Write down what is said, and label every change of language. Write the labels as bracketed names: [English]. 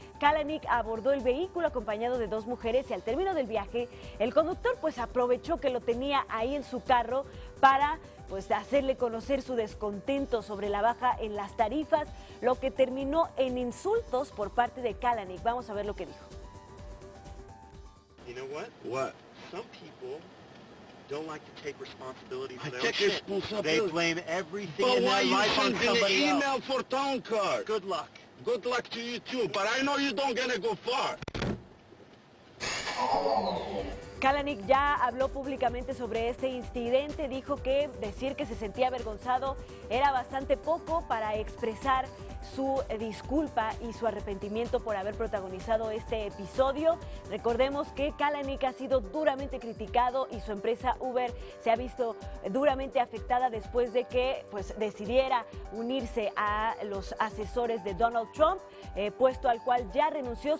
[Spanish] Kalanick abordó el vehículo acompañado de dos mujeres y al término del viaje, el conductor pues aprovechó que lo tenía ahí en su carro para pues hacerle conocer su descontento sobre la baja en las tarifas, lo que terminó en insultos por parte de Kalanick. Vamos a ver lo que dijo. [English] You know what? What? Some people don't like to take responsibility for their own shit. They blame everything but in their life on somebody else. But why you sent an email for town car? Good luck. Good luck to you too, but I know you don't gonna go far. [Spanish] Kalanick ya habló públicamente sobre este incidente, dijo que decir que se sentía avergonzado era bastante poco para expresar su disculpa y su arrepentimiento por haber protagonizado este episodio. Recordemos que Kalanick ha sido duramente criticado y su empresa Uber se ha visto duramente afectada después de que pues, decidiera unirse a los asesores de Donald Trump, puesto al cual ya renunció.